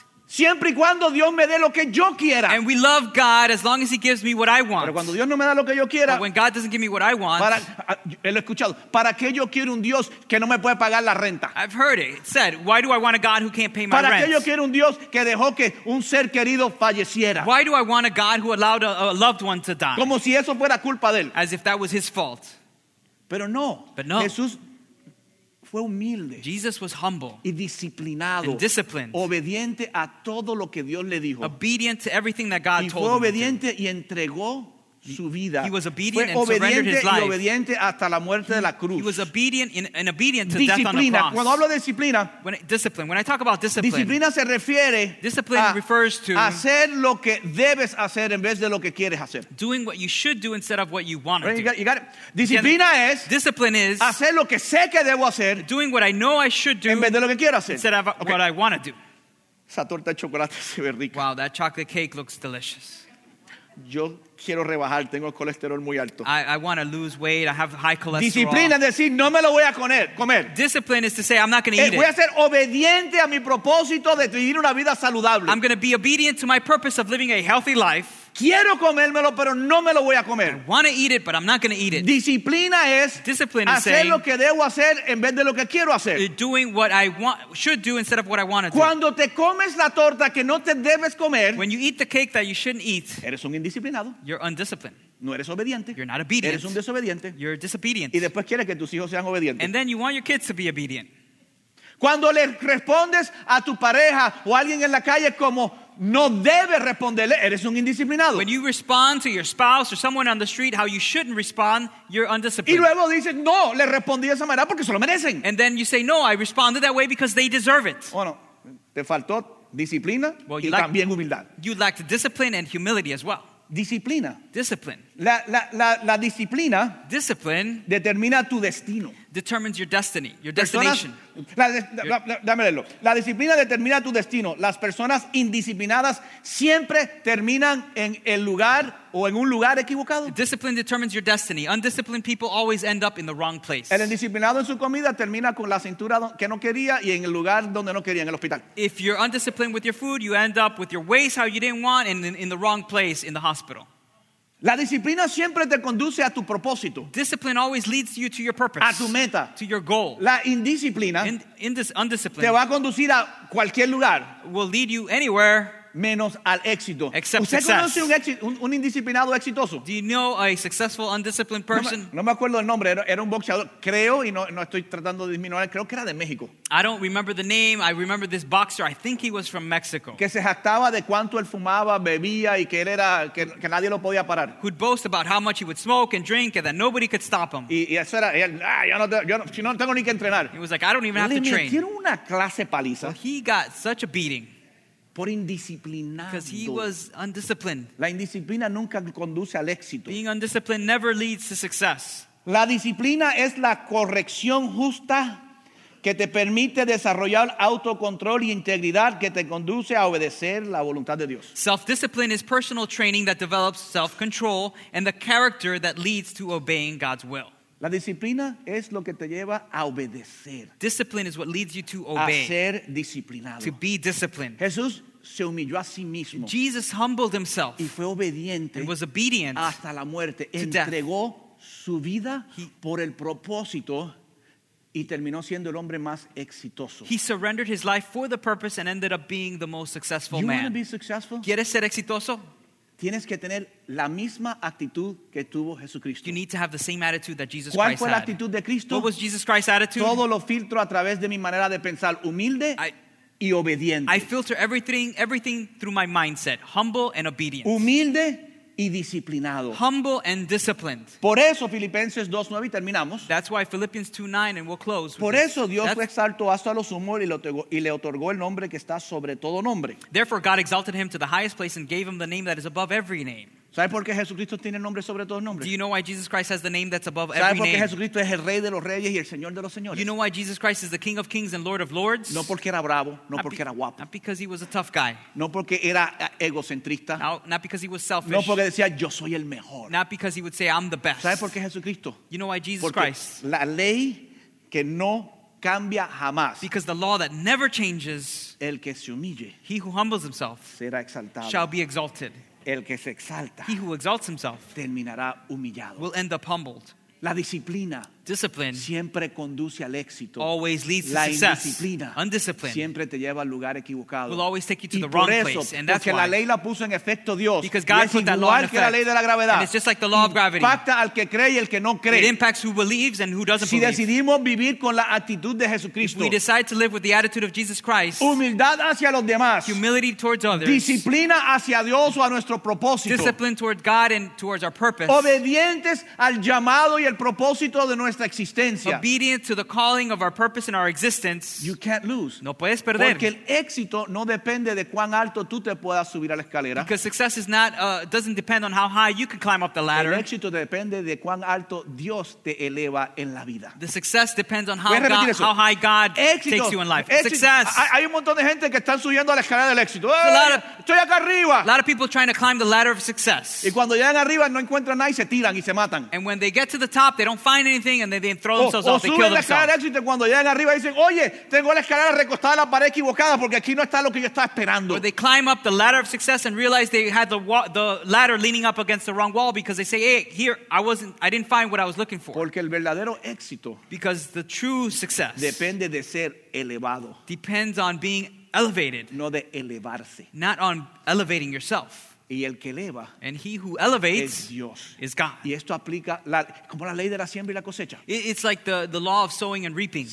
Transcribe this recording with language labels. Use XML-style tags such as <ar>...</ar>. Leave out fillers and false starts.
<es>siempre y cuando Dios me dé lo que yo quiera.</es> <en>And we love God as long as he gives me what I want.</en> <es>Pero cuando Dios no me da lo que yo quiera.</es> <en>But when God doesn't give me what I want.</en> <es>Para, he escuchado, ¿para qué yo quiero un Dios que no me puede pagar la renta?</es> <en>I've heard it. It said, why do I want a God who can't pay my</en> <es>¿para</es> <en>rent?</en> <es>¿Para qué yo quiero un Dios que dejó que un ser querido falleciera?</es> <en>Why do I want a God who allowed a loved one to die?</en> <es>Como si eso fuera culpa de él.</es> <en>As if that was his fault.</en> <es>Pero no.</es> <en>But no.</en> <es>Jesús fue humilde.</es> <en>Jesus was humble.</en> <es>Y disciplinado.</es> <en>And disciplined.</en> <es>Obediente a todo lo que Dios le dijo.</es> <en>Obedient to everything that God</en> <es>y</es> <en>told him.</en> <es>Fue obediente y entregó su vida.</es> <en>He was obedient and surrendered his life.</en> <es>Y obediente hasta la muerte de la cruz.</es> <en>He was obedient and obedient to</en> <es>disciplina.</es> <en>Death on the cross.</en> <es>Disciplina. Cuando hablo de disciplina.</es> <en>When I talk about discipline.</en> <es>Disciplina se refiere.</es> <en>Discipline refers to.</en> <es>Hacer lo que debes hacer en vez de lo que quieres hacer.</es> <en>Doing what you should do instead of what you want to do. You got it.</en> <es>Disciplina es.</es> <en>Discipline is.</en> <es>Hacer lo que sé que debo hacer.</es> <en>Doing what I know I should do.</en> <es>En vez de lo que quiero hacer.</es> <en>Instead of what I want to do.</en> <es>Esa torta de chocolate se ve rica.</es> <en>Wow, that chocolate cake looks delicious.</en> <es>Yo quiero rebajar, tengo el colesterol muy alto.</es> <en>I want to lose weight, I have high cholesterol.</en> <es>Disciplina es decir, no me lo voy a comer.</es> <en>Discipline is to say, I'm not going to eat it.</en> <es>Voy a ser obediente a mi propósito de vivir una vida saludable.</es> <en>I'm going to be obedient to my purpose of living a healthy life.</en> <es>Quiero comérmelo, pero no me lo voy a comer.</es> <en>I want to eat it, but I'm not going to eat it.</en> <es>Disciplina es</es> <en>discipline</en> <es>hacer</es> <en>saying,</en> <es>lo que debo hacer en vez de lo que quiero hacer.</es> <en>Doing what I want, should do instead of what I want to do.</en> <es>Cuando te comes la torta que no te debes comer.</es> <en>When you eat the cake that you shouldn't eat.</en> <es>Eres un indisciplinado.</es> <en>You're undisciplined.</en> <es>No eres obediente.</es> <en>You're not obedient.</en> <es>Eres un desobediente.</es> <en>You're disobedient.</en> <es>Y después quieres que tus hijos sean obedientes.</es> <en>And then you want your kids to be obedient.</en> <es>Cuando le respondes a tu pareja o a alguien en la calle como no debes responderle, eres un indisciplinado.</es> <en>When you respond to your spouse or someone on the street how you shouldn't respond, you're undisciplined.</en> <es>Y luego dices, no, le respondí de esa manera porque se lo merecen.</es> <en>And then you say, no, I responded that way because they deserve it.</en> <es>Bueno, te faltó disciplina</es> <en>well,</en> <es>y también humildad.</es> <en>You lacked discipline and humility as well.</en> <es>Disciplina.</es> <en>Discipline.</en> <es>La disciplina</es> <en>discipline</en> <es>determina tu destino.</es> <en>Determines your destiny, your destination.</en> <es>Dámelo. La disciplina determina tu destino. Las personas indisciplinadas siempre terminan en el lugar o en un lugar equivocado.</es> <en>Discipline determines your destiny. Undisciplined people always end up in the wrong place.</en> <es>El indisciplinado en su comida termina con la cintura que no quería y en el lugar donde no quería, en el hospital.</es> <en>If you're undisciplined with your food, you end up with your waist how you didn't want and in the wrong place in the hospital.</en> <es>La disciplina siempre te conduce a tu propósito.</es> <en>Discipline always leads you to your purpose.</en> <es>A tu meta.</es> <en>To your goal.</en> <es>La indisciplina.</es> <en>Undisciplined.</en> <es>Te va a conducir a cualquier lugar.</es> <en>Will lead you anywhere.</en> <es>Menos al éxito.</es> <en>Except</en> <es>¿usted</es> <en>success.</en> <es>Conoce un indisciplinado exitoso?</es> <en>Do you know a successful, undisciplined person?</en> <es>No me acuerdo el nombre. Era un boxeador. Creo, y no estoy tratando de disminuir. Creo que era de México.</es> <en>I don't remember the name. I remember this boxer. I think he was from Mexico.</en> <es>Que se jactaba de cuánto él fumaba, bebía, y que él era, que nadie lo podía parar.</es> <en>Who'd boast about how much he would smoke and drink and that nobody could stop him.</en> <es>Y eso era, y él, yo no tengo ni que entrenar.</es> <en>He was like, I don't even have to train.</en> <es>Le metieron una clase paliza.</es> <en>Well, he got such a beating.</en> <es>Por indisciplinado.</es> <en>Because he was undisciplined.</en> <es>La indisciplina nunca conduce al éxito.</es> <en>Being undisciplined never leads to success.</en> <es>La disciplina es la corrección justa que te permite desarrollar autocontrol y integridad que te conduce a obedecer la voluntad de Dios.</es> <en>Self-discipline is personal training that develops self-control and the character that leads to obeying God's will.</en> <es>La disciplina es lo que te lleva a obedecer.</es> <en>Discipline is what leads you to obey.</en> <es>A ser disciplinado.</es> <en>To be disciplined.</en> <es>Jesús se humilló a sí mismo.</es> <en>Jesus humbled himself.</en> <es>Y fue obediente.</es> <en>And was obedient.</en> <es>Hasta la muerte.</es> <en>To</en> <es>entregó</es> <en>death.</en> <es>su vida por el propósito y terminó siendo el hombre más exitoso.</es> <en>He surrendered his life for the purpose and ended up being the most successful man. You want to be successful?</en> <es>¿Quieres ser exitoso? Tienes que tener la misma actitud que tuvo Jesucristo.</es> <en>You need to have the same attitude that Jesus Christ had.</en> <es>¿Cuál fue la actitud de Cristo?</es> <en>What was Jesus Christ's attitude?</en> <es>Todo lo filtro a través de mi manera de pensar, humilde y obediente.</es> <en>I filter everything through my mindset, humble and obedient.</en> <es>Humilde y disciplinado.</es> <en>Humble and disciplined.</en> <es>Por eso Filipenses 2:9 y terminamos.</es> <en>That's why Philippians 2:9 and we'll close.</en> <es>Por eso Dios lo exaltó hasta lo sumo y le otorgó el nombre que está sobre todo nombre.</es> <en>Therefore God exalted him to the highest place and gave him the name that is above every name.</en> <es>¿Sabe por qué Jesucristo tiene el nombre sobre todo nombre?</es> <en>Do you know why Jesus Christ has the name that's above every name?</en> <es>¿Sabe por qué Jesucristo es el rey de los reyes y el señor de los señores?</es> <en>You know why Jesus Christ is the King of Kings and Lord of Lords?</en> <es>No porque era bravo, no porque era guapo.</es> <en>Not because he was a tough guy.</en> <es>No porque era egocentrista.</es> <en>Not because he was selfish.</en> <es>No porque decía yo soy el mejor.</es> <en>Not because he would say I'm the best.</en> <es>¿Sabe por qué Jesucristo?</es> <en>You know why Jesus</en> <es>porque</es> <en>Christ?</en> <es>La ley que no cambia jamás.</es> <en>Because the law that never changes.</en> <es>El que se humille.</es> <en>He who humbles himself.</en> <es>Será exaltado.</es> <en>Shall be exalted.</en> <es>El que se exalta,</es> <en>he who exalts himself,</en> <es>terminará humillado.</es> <en>Will end up humbled.</en> <es>La disciplina,</es> <en>discipline,</en> <es>siempre conduce al éxito.</es> <en>Always leads</en> <es>la</es> <en>to success.</en> <es>Indisciplina,</es> <en>undisciplined,</en> <es>siempre te lleva al lugar equivocado.</es> <en>Will always take you to</en> <es>y</es> <en>the wrong</en> <es>eso,</es> <en>place, and that's why.</en> <es>La ley la puso en efecto Dios.</es> <en>Because God put that law in effect.</en> <es>La ley de la gravedad.</es> <en>And it's just like the law of gravity.</en> <es>Impacta al que cree y el que no cree.</es> <en>It impacts who believes and who doesn't</en> <es>si</es> <en>believe.</en> <es>Si decidimos vivir con la actitud de Jesucristo,</es> <en>if we decide to live with the attitude of Jesus Christ,</en> <es>humildad hacia los demás,</es> <en>humility towards others,</en> <es>disciplina hacia Dios o a nuestro propósito,</es> <en>discipline toward God and towards our purpose,</en> <es>obedientes al llamado y el propósito de nuestra existencia,</es> <en>obedient to the calling of our purpose and our existence, you can't lose.</en> <es>No puedes perder. Porque el éxito no depende de cuán alto tú te puedas subir a la escalera.</es> <en>Because success is not doesn't depend on how high you can climb up the ladder.</en> <es>El éxito depende de cuán alto Dios te eleva en la vida.</es> <en>The success depends on how high God</en> <es>éxito,</es> <en>takes you in life.</en> <es>Éxito.</es> <en>Success.</en> <es>Hay un montón de gente que están subiendo a la escalera del éxito. Estoy acá arriba.</es> <en>A lot of people trying to climb the ladder of success.</en> <es>Y cuando llegan arriba no encuentran nada y se tiran y se matan.</es> <en>And when they get to the top, they don't find anything. And they throw themselves off, they kill themselves.</en> <es>Y cuando llegan arriba dicen, oye, tengo la escalera recostada a la pared equivocada porque aquí no está lo que yo estaba esperando.</es> <en>Or they climb up the ladder of success and realize they had the ladder leaning up against the wrong wall because they say, hey, here, I didn't find what I was looking for.</en> <es>Porque el verdadero éxito,</es> <en>because the true success</en> <es>depende de ser elevado,</es> <en>depends on being elevated,</en> <es>no de elevarse,</es> <en>not on elevating yourself.</en> <es>Y el que eleva,</es> <en>and he who elevates,</en> <es>es Dios.</es> <en>Is God.</en> <es>Y esto aplica la, como la ley de la siembra y la cosecha.</es> <en>It's like the law of sowing and reaping.</en>